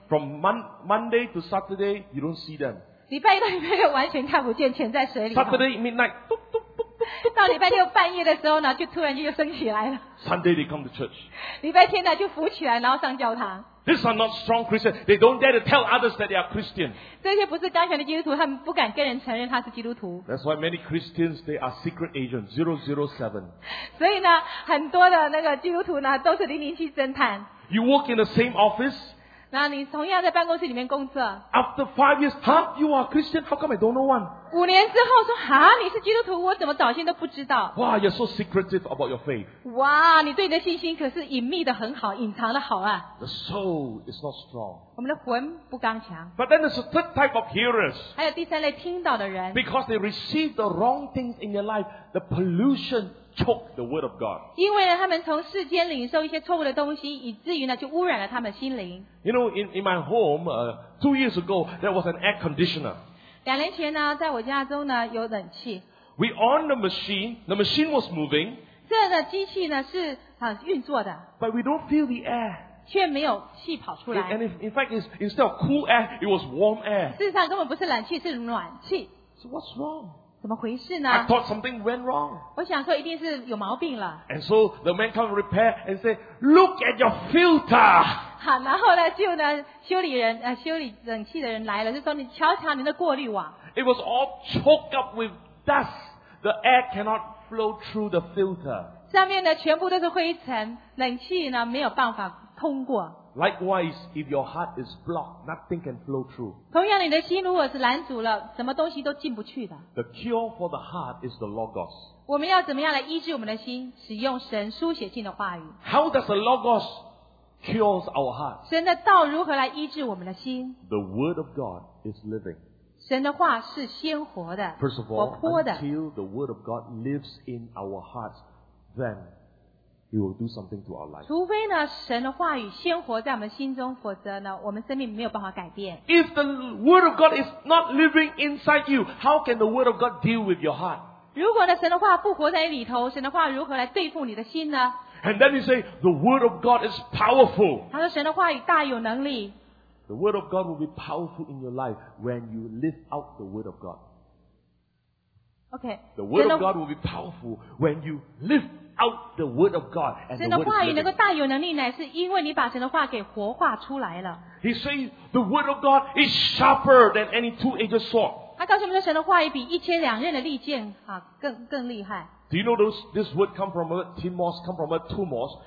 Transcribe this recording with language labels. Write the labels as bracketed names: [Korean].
[English] From Monday to Saturday, you don't see them. [Chinese] 礼拜一到礼拜六完全看不见，潜在水里。 [English] Saturday midnight, [Chinese] 到礼拜六半夜的时候呢，就突然间就升起来了。 [English] Sunday they come to church. [Chinese] 礼拜天呢就浮起来，然后上教堂。 [English] These are not strong Christians. They don't dare to tell others that they are Christian. [Chinese] 这些不是刚强的基督徒，他们不敢跟人承认他是基督徒。 [English] That's why many Christians they are secret agents 007. [Chinese] 所以呢，很多的那个基督徒呢都是007侦探。 [English] You work in the same office. [Chinese] 那你同样在办公室里面工作。 [English] After 5 years, huh? You are Christian. How come I don't know one? [Chinese] 五年之后说啊，你是基督徒，我怎么早先都不知道 [English] ？Wow, you're so secretive about your faith. [Chinese] 哇，你对你的信心可是隐秘的很好，隐藏的好啊。 [English] The soul is not strong. [Chinese] 我们的魂不刚强。 [English] But then there's a third type of hearers. [Chinese] 还有第三类听到的人。 [English] Because they receive the wrong things in their life, the pollution. Choke the word of God. [Chinese] 因为他们从世间领受一些错误的东西，以至于呢就污染了他们心灵。 [English] You know, in my home, two years ago, there was an air conditioner. [Chinese] 两年前呢，在我家中呢有冷气。 [English] We on the machine. The machine was moving. [Chinese] 这个机器呢是运作的。 [English] But we don't feel the air. [Chinese] 却没有气跑出来。 [English] And in fact, instead of cool air, it was warm air. [Chinese] 事实上根本不是冷气，是暖气。 [English] So what's wrong? [Chinese] 怎么回事呢 [English] I thought something went wrong. [Chinese] 我想说一定是有毛病了。 [English] And so the man come to repair and say, look at your filter. [Chinese] 好然后呢就呢修理人修理冷气的人来了就说你瞧瞧你的过滤网。 [English] It was all choked up with dust. The air cannot flow through the filter. [Chinese] 上面的全部都是灰尘，冷气呢没有办法通过。 [English] Likewise, if your heart is blocked, nothing can flow through. [Chinese] 同样，你的心如果是拦阻了，什么东西都进不去的。 [English] The cure for the heart is the Logos. [Chinese] 我们要怎么样来医治我们的心，使用神书写进的话语。 [English] How does the Logos cures our heart? [Chinese] 神的道如何来医治我们的心？ [English] The Word of God is living. [Chinese] 神的话是鲜活的, [English] First of all, [Chinese] 活泼的, [English] until the Word of God lives in our hearts, then it will do something to our life. [Chinese] 除非呢, 神的话语鲜活在我们心中, 否则呢, 我们生命没有办法改变。 [English] If the Word of God is not living inside you, how can the Word of God deal with your heart? [Chinese] 如果呢, 神的话不活在你里头, 神的话如何来对付你的心呢? [English] And then you say, the Word of God is powerful. [Chinese] 他说神的话语大有能力。 [English] The Word of God will be powerful in your life when you live out the Word of God. Okay. The Word of God will be powerful when you live out the Word of God. And the Word is living. He says, the Word of God is sharper than any two-edged sword. [Chinese] 他告诉我们说神的话语比一千两刃的利剑更厉害。 [English] Do you know this word come from a timos, come from a tumos?